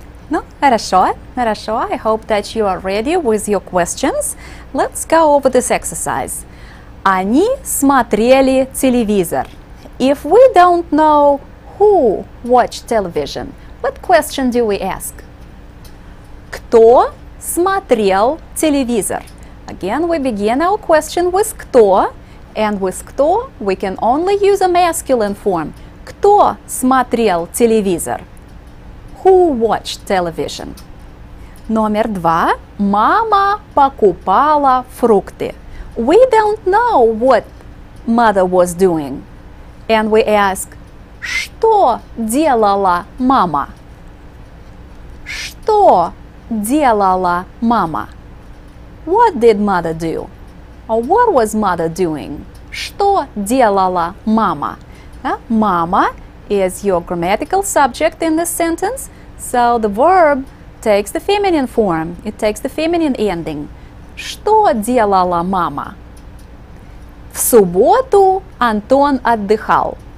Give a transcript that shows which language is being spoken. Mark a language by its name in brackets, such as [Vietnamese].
[Russian] Ну, хорошо, хорошо. [English] I hope that you are ready with your questions. Let's go over this exercise. [Russian] Они смотрели телевизор. [English] If we don't know who watched television, what question do we ask? [Russian] Кто смотрел телевизор? [English] Again, we begin our question with кто. And with кто, we can only use a masculine form. [Russian] Кто смотрел телевизор? [English] Who watched television? [Russian] Номер два. Мама покупала фрукты. [English] We don't know what mother was doing. And we ask, [Russian] что делала мама? Что делала мама? [English] What did mother do? Or what was mother doing? [Russian] Что делала мама? [English] Мама is your grammatical subject in this sentence, so the verb takes the feminine form. It takes the feminine ending. [Russian] Что делала мама? В субботу Антон отдыхал.